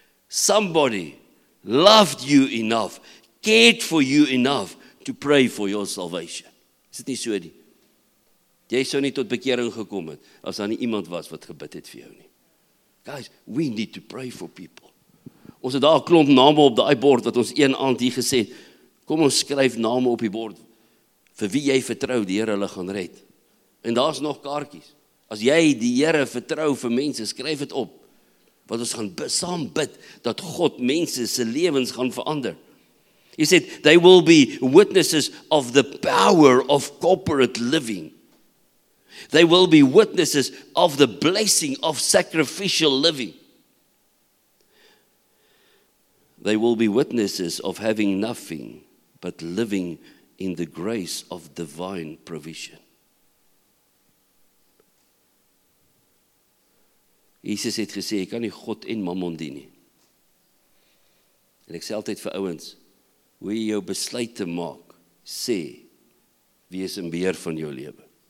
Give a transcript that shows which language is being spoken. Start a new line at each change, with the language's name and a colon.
English: Somebody loved you enough, cared for you enough to pray for your salvation.
Afrikaans: Is dit nie so nie? Jy sou nie tot bekering gekom het as daar nie iemand was wat gebid het vir jou nie. Guys,
English: we need to pray for people.
Afrikaans: Ons het daar 'n klomp name op daai bord wat ons een aand hier gesê het, kom ons skryf name op die bord vir wie jy vertrou die Here hulle gaan red. En daar's nog kaartjies. As jy die Here vertrou vir mense, skryf dit op. Want ons gaan saam bid dat God mense se lewens gaan verander.
English: He said, they will be witnesses of the power of corporate living. They will be witnesses of the blessing of sacrificial living. They will be witnesses of having nothing but living in the grace of divine provision.
Afrikaans: Jesus het gesê, jy kan nie God en mammon dien nie. En ek sê altyd vir ouens, hoe jy jou besluit te maak, sê, wees in beheer van jou lewe.